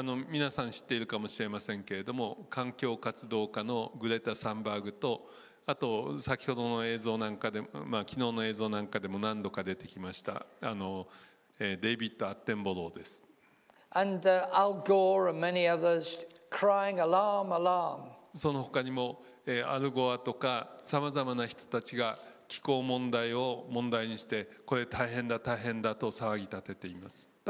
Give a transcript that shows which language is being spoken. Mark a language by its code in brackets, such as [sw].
[ja] 皆さん知っているかもしれませんけれども、環境活動家のグレタ・サンバーグと、あと先ほどの映像なんかで、昨日の映像なんかでも何度か出てきました。デイビッド・アッテンボローです。 [en] And Al Gore and many others crying alarm, alarm. [ja] その他にも、アルゴアとかさまざまな人たちが。気候問題を問題にしてこれ大変だ大変だと騒ぎ立てています。